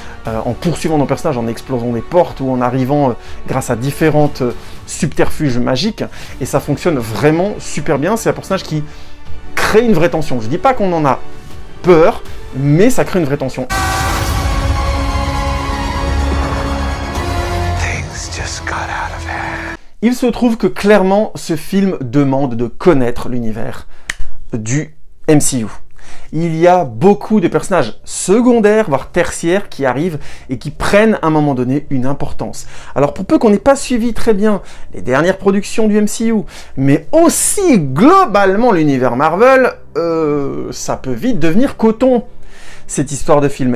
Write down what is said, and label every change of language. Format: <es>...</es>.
<fr>En poursuivant nos personnages, en explosant des portes ou en arrivant grâce à différentes subterfuges magiques. Et ça fonctionne vraiment super bien. C'est un personnage qui crée une vraie tension. Je dis pas qu'on en a peur, mais ça crée une vraie tension.</fr> <en>Things just got out of hand.</en> <fr>Il se trouve que clairement, ce film demande de connaître l'univers du MCU. Il y a beaucoup de personnages secondaires, voire tertiaires, qui arrivent et qui prennent à un moment donné une importance. Alors pour peu qu'on n'ait pas suivi très bien les dernières productions du MCU, mais aussi globalement l'univers Marvel, ça peut vite devenir coton, cette histoire de film.</fr>